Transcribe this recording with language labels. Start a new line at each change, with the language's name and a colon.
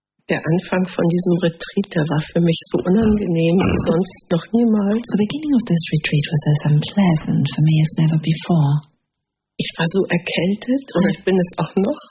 German: Der Anfang von diesem Retreat, der war für mich so unangenehm wie sonst noch niemals.
English: The beginning of this retreat was as unpleasant for me as never before.
German: Ich war so erkältet und ich bin es auch noch.